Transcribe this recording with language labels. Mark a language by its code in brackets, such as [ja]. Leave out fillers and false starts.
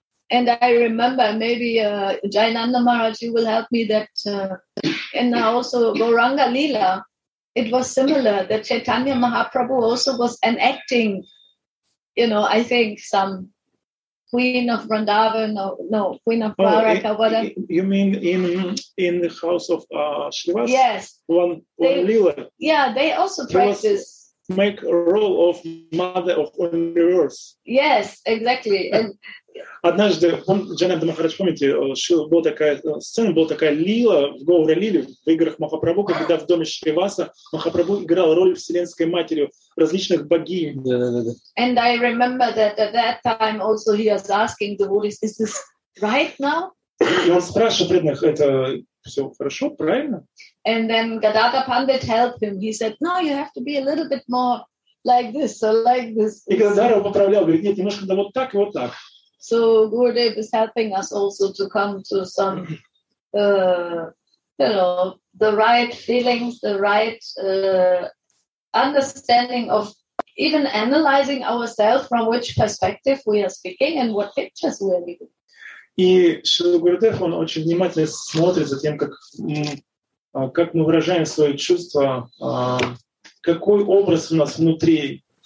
[en] And I remember, maybe Jayananda Maharaj, you will help me, that and also Gauranga Leela, it was similar, that Chaitanya Mahaprabhu also was enacting, you know, I think some queen of Vrindavan, no, queen of Varaka, whatever. You mean in the house of Srivas? Yes. One Leela. Yeah, they also practice. Make a role of mother of only earth. Yes, exactly. [ru] Однажды, Джанабда Махарадж, помните, была такая лила в Гоура Лиле, в играх Махапрабху, когда в доме Шриваса Махапрабху играл роль вселенской матери различных богинь. [en] And I remember that at that time also he was asking the Buddhists, is this right now? [ru] И он спрашивает преданных, это все хорошо, правильно? [en] And then Gadadhar Pandit helped him. He said, no, you have to be a little bit more like this or like this. [ru] И Gadadhar его поправлял, говорит, нет, немножко да вот так и вот так. [en] So Gurudev is helping us also to come to some, you know, the right feelings, the right understanding of even analyzing ourselves from which perspective we are speaking and what pictures we are giving. [ru] И Шрила Гурудев, он очень внимательно смотрит за тем, как мы выражаем свои чувства, какой образ у нас внутри.